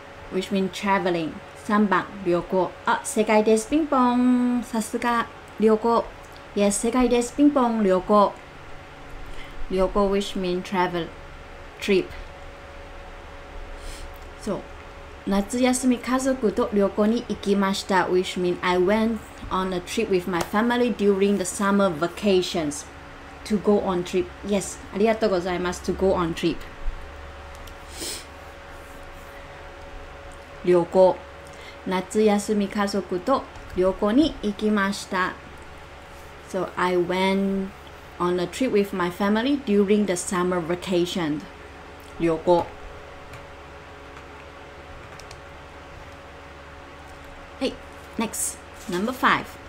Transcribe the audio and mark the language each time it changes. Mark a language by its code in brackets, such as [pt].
[en] Which means traveling. [ja] 3番、旅行。あ、正解です。ピンポン。さすが、旅行。Yes, 正解です。ピンポン、旅行。 [en] 旅行 which means travel, trip. [ja] So, 夏休み家族と旅行に行きました。 [en] Which means I went on a trip with my family during the summer vacations. To go on trip. Yes, [ja] ありがとうございます。 [en] To go on trip. [ja] 旅行。夏休み家族と旅行に行きました。 [en] So I went on a trip with my family during the summer vacation. [ja] 旅行。 [en] Hey, next, number five.